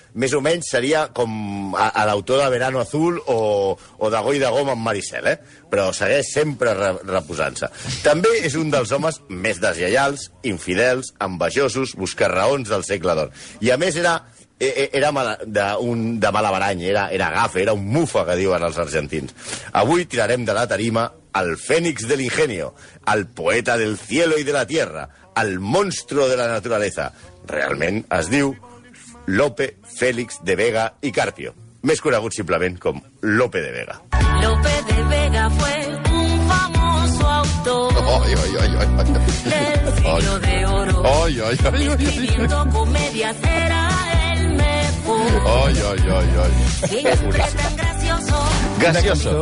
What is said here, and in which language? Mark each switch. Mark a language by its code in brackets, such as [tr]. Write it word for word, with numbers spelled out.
[ca] Més o menys seria com a, a l'autor de Verano Azul o, o de Goi de Goma amb Maricel, eh? Però segueix sempre re, reposant-se. També és un dels homes més deslleials, infidels, envejosos, buscarraons del segle d'or. I a més era, era mala, de, un, de mala barany, era, era gafe, era un mufa, que diuen els argentins. Avui tirarem de la tarima al Fénix del Ingenio, [es] al poeta del cielo y de la tierra, al monstruo de la naturaleza. [ca] Realment es diu Lope, Félix de Vega y Carpio, més conegut simplement com Lope de Vega. [es] Lope de Vega fue un famoso autor oy, oy, oy, oy, oy. del siglo de oro. Oy, oy, oy, oy, oy. Escribiendo comedias era el mejor. Oy, oy, oy, oy. Siempre tan gracioso. Gracioso.